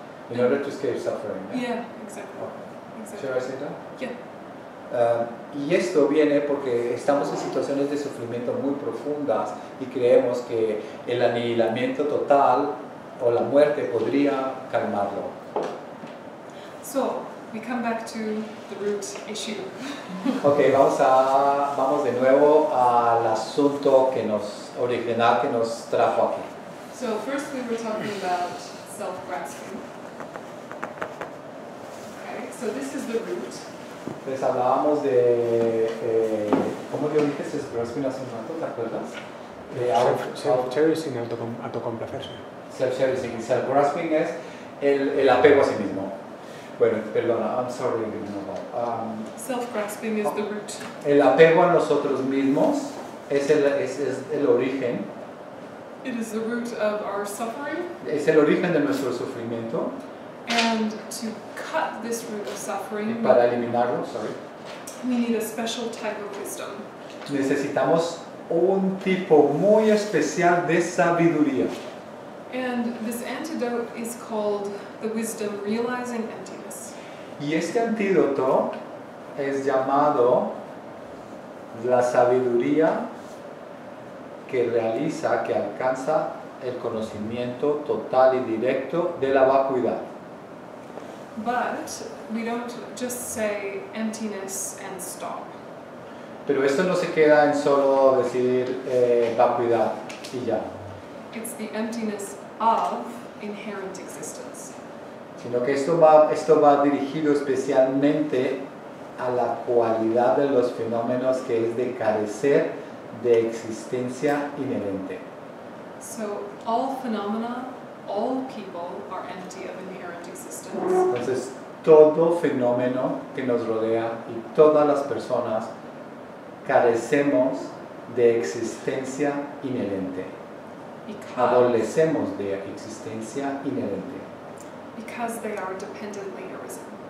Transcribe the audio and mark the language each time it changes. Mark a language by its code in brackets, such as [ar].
[en] In order to escape suffering. Yeah, yeah, exactly. Should I say that? Yeah. [es] Y esto viene porque estamos en situaciones de sufrimiento muy profundas y creemos que el aniquilamiento total o la muerte podría calmarlo. [en] So, we come back to the root issue. [es] Okay, vamos de nuevo al asunto que nos trajo aquí. [en] So, first we were talking about self-grasping. Okay, so this is the root. [es] Entonces hablábamos de, ¿cómo te dijiste? Se grasping hace un rato, ¿te acuerdas? [en] Self-cherishing, autocomplacerse. [es] Self-cherishing. Self-grasping es el apego a sí mismo. Bueno, perdona, [en] I'm sorry. Self-grasping is the root. [es] El apego a nosotros mismos es el origen. [en] It is the root of our suffering. [es] Es el origen de nuestro sufrimiento. [en] And to cut this root of suffering, [es] para eliminarlo, [en] sorry, we need a special type of wisdom. [es] Necesitamos un tipo muy especial de sabiduría. [en] And this antidote is called the wisdom realizing emptiness. [es] Y este antídoto es llamado la sabiduría que realiza, que alcanza el conocimiento total y directo de la vacuidad. [en] But we don't just say emptiness and stop. [es] Pero esto no se queda en solo decir vacuidad y ya. [en] It's the emptiness of inherent existence. [es] Sino que esto va dirigido especialmente a la cualidad de los fenómenos que es de carecer de existencia inherente. [en] So all phenomena, all people are empty of inherent existence. [es] Entonces, todo fenómeno que nos rodea y todas las personas carecemos de existencia inherente. Adolecemos de existencia inherente. [en] Because they are dependently arisen.